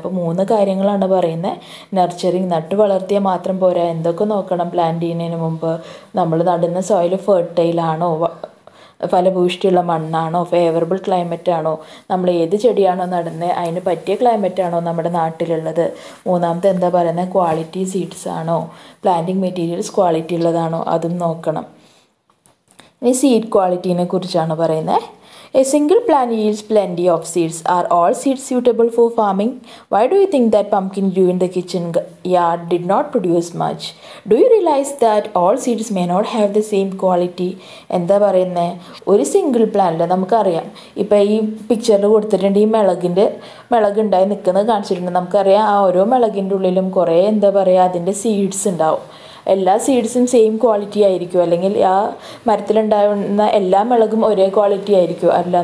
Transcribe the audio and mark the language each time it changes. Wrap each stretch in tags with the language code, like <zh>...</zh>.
<ml>അപ്പോൾ 3 കാര്യങ്ങളാണ് പറയുന്നത്. നർച്ചറിങ്, നട്ട് വളർത്തിയാൽ മാത്രം പോരാ, എന്തൊക്കെ നോക്കണം പ്ലാന്റ് ചെയ്യുന്നതിന് മുമ്പ്, നമ്മൾ നടുന്ന സോയിൽ ഫെർട്ടൈൽ ആണോ, ഫലഭൂഷ്ടിയുള്ള മണ്ണാണോ, ഫേവറബിൾ ക്ലൈമറ്റ് ആണോ, നമ്മൾ ഏത് ചെടിയാണോ നടുന്നത് അതിന് പറ്റിയ ക്ലൈമറ്റ് ആണോ നമ്മുടെ നാട്ടിലുള്ളത്. 3 എന്താ പറയുന്നത്, ക്വാളിറ്റി സീഡ്സ് ആണോ, പ്ലാന്റിങ് മെറ്റീരിയൽസ് ക്വാളിറ്റി ഉള്ളതാണോ, അതും നോക്കണം. ഇനി സീഡ് ക്വാളിറ്റിനെ കുറിച്ചാണ് പറയുന്നത്.</ml> <en>A single plant yields plenty of seeds. Are all seeds suitable for farming? Why do you think that pumpkin grew in the kitchen yard did not produce much? Do you realize that all seeds may not have the same quality?</en> <ml>എന്താ പറയുന്നത്? ഒരു single plant നമുക്കറിയാം. ഇപ്പം ഈ പിക്ചറിൽ കൊടുത്തിട്ടുണ്ട് ഈ മിളകിൻ്റെ മിളകുണ്ടായി നിൽക്കുന്നത് കാണിച്ചിട്ടുണ്ട്. നമുക്കറിയാം ആ ഓരോ മിളകിൻ്റെ ഉള്ളിലും കുറേ എന്താ പറയുക അതിൻ്റെ സീഡ്സ് ഉണ്ടാവും. എല്ലാ സീഡ്സും സെയിം ക്വാളിറ്റി ആയിരിക്കും, അല്ലെങ്കിൽ ആ മരത്തിലുണ്ടാകുന്ന എല്ലാ മിളകും ഒരേ ക്വാളിറ്റി ആയിരിക്കും അല്ല.</ml>